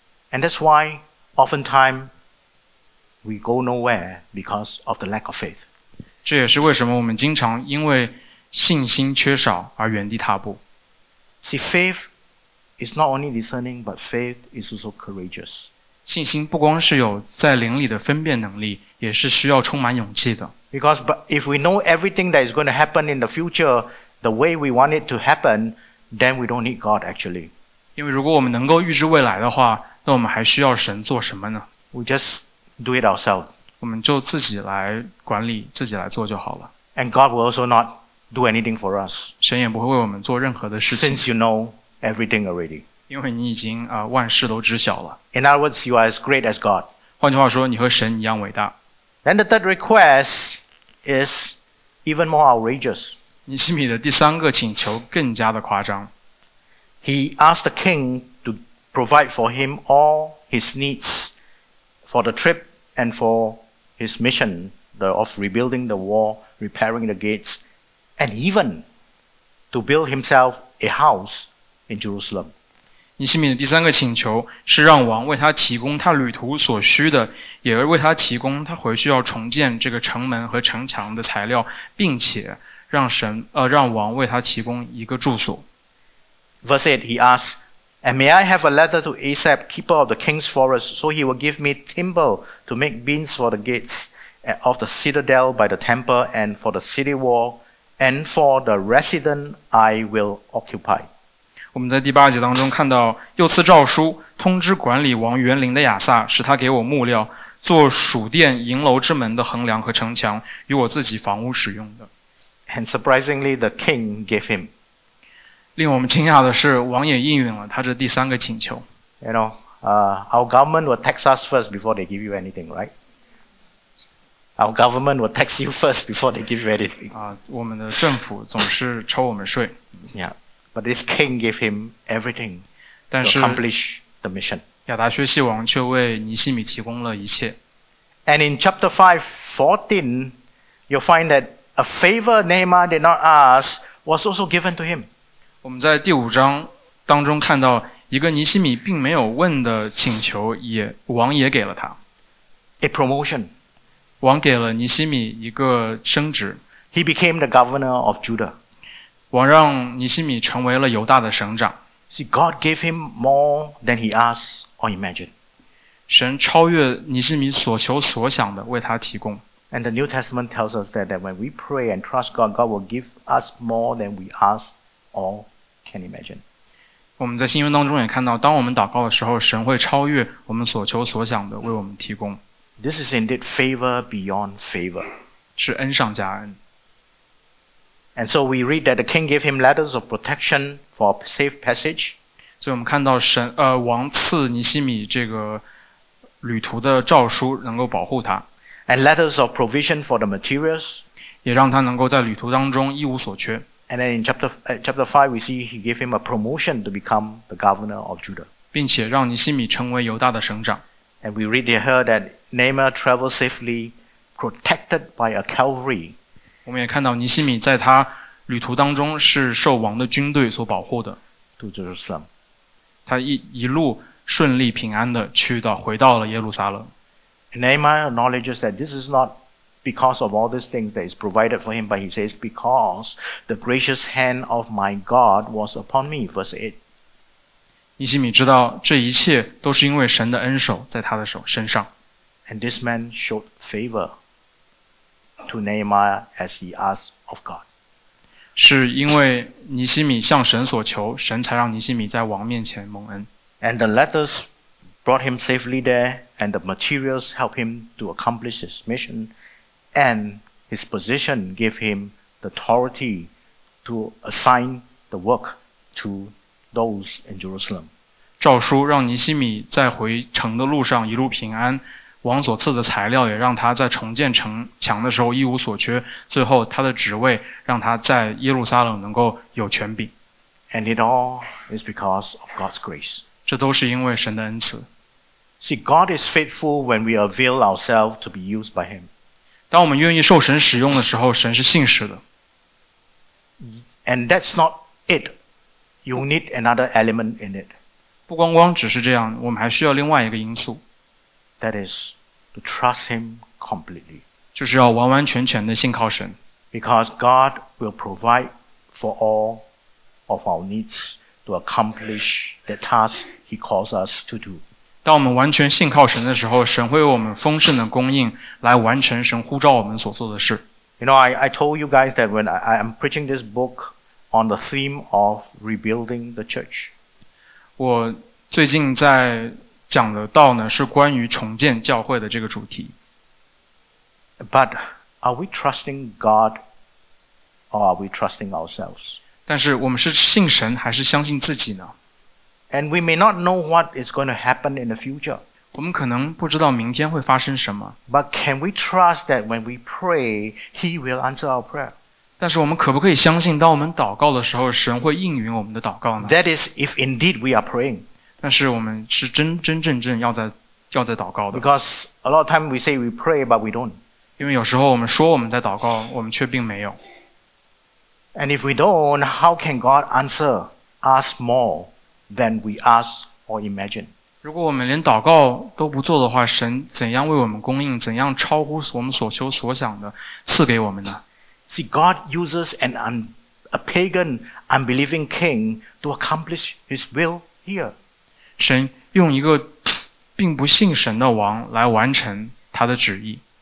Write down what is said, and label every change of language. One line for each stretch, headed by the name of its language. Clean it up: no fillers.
English: And that's why oftentimes we go nowhere because of the lack of faith.
Chinese: 这也是为什么我们经常因为信心缺少而原地踏步。
English: See, faith is not only discerning, but faith is also courageous.
Chinese: 信心不光是有在灵里的分辨能力，也是需要充满勇气的。
English: Because if we know everything that is going to happen in the future, the way we want it to happen, then we don't need God actually.
Chinese: 因为如果我们能够预知未来的话，那我们还需要神做什么呢？
English: We just do it ourselves.
Chinese: 我们就自己来管理，自己来做就好了。
English: And God will also not do anything for us.
Chinese: 神也不会为我们做任何的事情。
English: Since you know everything already.
Chinese: 因为你已经万事都知晓了。
English: In other words, you are as great as God.
Chinese: 换句话说，你和神一样伟大。
English: Then the third request is even more outrageous.
Chinese: 尼希米的第三个请求更加的夸张。
English: He asked the king to provide for him all his needs for the trip and for his mission of rebuilding the wall, repairing the gates, and even to build himself a house in Jerusalem.
Chinese: 尼希米的第三个请求是让王为他提供他旅途所需的，也为他提供他回去要重建这个城门和城墙的材料，并且让王为他提供一个住所。
English: Verse 8, he asks, And may I have a letter to Asaph, keeper of the king's forest, so he will give me timber to make beams for the gates of the citadel by the temple and for the city wall and for the resident I will occupy.
Chinese: 我们在第八节当中看到，又赐诏书通知管理王园林的亚萨，使他给我木料，做属殿营楼之门的横梁和城墙，与我自己房屋使用的。
English: And surprisingly, the king gave him.
Chinese: 令我们惊讶的是，王也应允了他这第三个请求。
English: You know, our government will tax us first before they give you anything, right? Our government will tax you first before they give you anything.
Chinese: 我们的政府总是抽我们税。
English: Yeah, but this king gave him everything to accomplish the mission.
Chinese: 亚达薛西王却为尼希米提供了一切。
English: And in chapter 5:14, you'll find that a favor Nehemiah did not ask was also given to him.
Chinese: 我们在第五章当中看到，一个尼希米并没有问的请求也王也给了他。
English: A promotion.
Chinese: 王给了尼希米一个升职。
English: He became the governor of Judah.
Chinese: 王让尼希米成为了犹大的省长。
English: See, God gave him more than he asked or imagined.
Chinese: 神超越尼希米所求所想的为他提供。
English: And the New Testament tells us that when we pray and trust God, God will give us more than we ask. All can imagine.
Chinese: 我们在新约当中也看到，当我们祷告的时候，神会超越我们所求所想的为我们提供。
English: This is indeed favor beyond favor.
Chinese: 是恩上加恩。
English: And so we read that the king gave him letters of protection for a safe passage.
Chinese: 所以我们看到神王赐尼希米这个旅途的诏书，能够保护他。
English: And letters of provision for the materials.
Chinese: 也让他能够在旅途当中一无所缺。
English: And then in chapter 5, we see he gave him a promotion to become the governor of Judah.
Chinese: 并且让尼希米成为犹大的省长。
English: And we read here that Nehemiah traveled safely, protected by a cavalry.
Chinese: 我们也看到尼希米在他旅途当中是受王的军队所保护的。
English: To Jerusalem.
Chinese: 他一路顺利平安地回到了耶路撒冷。
English: And Nehemiah acknowledges that this is notBecause of all these things that is provided for him, but he says, because the gracious hand of my God was upon me. Verse 8.
Chinese: 尼希米知道这一切都是因为神的恩手在他的手身上。
English: And this man showed favor to Nehemiah as he asked of God.
Chinese: 是因为尼希米向神所求，神才让尼希米在王面前蒙恩。
English: And the letters brought him safely there, and the materials helped him to accomplish his mission. And his position gave him the authority to assign the work to those in Jerusalem.
Chinese: 诏书让尼希米在回城的路上一路平安，王所赐的材料也让他在重建城墙的时候一无所缺，最后他的职位让他在耶路撒冷能够有权柄。
English: And it all is because of God's grace.
Chinese: 这都是因为神的恩赐。
English: See, God is faithful when we avail ourselves to be used by him.
Chinese: 当我们愿意受神使用的时候，神是信实的。
English: And that's not it. You need another element in it.
Chinese: 不光光只是这样，我们还需要另外一个因素。
English: That is to trust him completely.
Chinese: 就是要完完全全的信靠神。
English: Because God will provide for all of our needs to accomplish the task he calls us to do.
Chinese: 当我们完全信靠神的时候，神会为我们丰盛的供应来完成神呼召我们所做的事。
English: You know, I told you guys that when I am preaching this book on the theme of rebuilding the church.
Chinese: 我最近在讲的道呢，是关于重建教会的这个主题。
English: But are we trusting God or are we trusting ourselves?
Chinese: 但是我们是信神还是相信自己呢？
English: And we may not know what is going to happen in the future.
Chinese: 我们可能不知道明天会发生什么。
English: But can we trust that when we pray, He will answer our prayer?
Chinese: 但是我们可不可以相信当我们祷告的时候，神会应允我们的祷告呢？
English: That is, if indeed we are praying.
Chinese: 但是我们是真正要在祷告的。
English: Because a lot of time we say we pray, but we don't.
Chinese: 因为有时候我们说我们在祷告，我们却并没有。
English: And if we don't, how can God answer us more than we ask or imagine?
Chinese: 如果我们连祷告都不做的话，神怎样为我们供应，怎样超乎我们所求所想的赐给我们呢？
English: See, God uses a pagan, unbelieving king to accomplish his will here.
Chinese: 神用一个并不信神的王来完成他的旨意。